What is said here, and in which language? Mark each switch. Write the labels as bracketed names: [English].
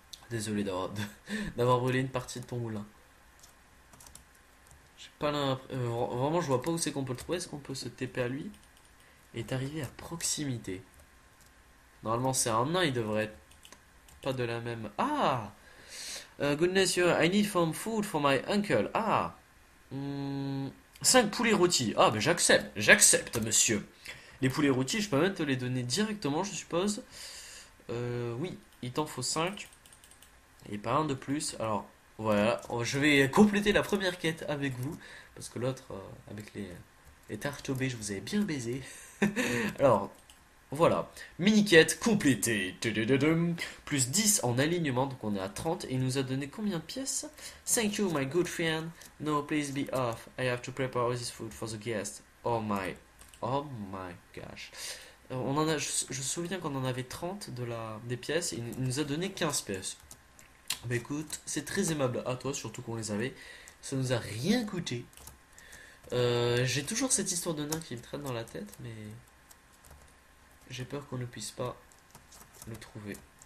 [French] Désolé d'avoir brûlé une partie de ton moulin. Vraiment, je vois pas où c'est qu'on peut le trouver. Est-ce qu'on peut se TP à lui? Il est arrivé à proximité. Normalement, c'est un nain, il devrait être pas de la même. Ah! [English] Goodness, I need some food for my uncle. [French] Ah! 5 poulets rôtis. Ah, ben j'accepte. J'accepte, monsieur. Les poulets rôtis, je peux même te les donner directement, je suppose. Oui, il t'en faut 5. Et pas un de plus. Alors. Voilà, je vais compléter la première quête avec vous, parce que l'autre, avec les tartes au B, je vous ai bien baisé. Alors, voilà, mini-quête complétée. Plus 10 en alignement, donc on est à 30, et il nous a donné combien de pièces? [English] Thank you, my good friend. No, please be off. I have to prepare this food for the guest. Oh my gosh. [French] Je souviens qu'on en avait 30 des pièces, et il nous a donné 15 pièces. Bah écoute, c'est très aimable à toi, surtout qu'on les avait. Ça nous a rien coûté. J'ai toujours cette histoire de nain qui me traîne dans la tête, mais j'ai peur qu'on ne puisse pas le trouver.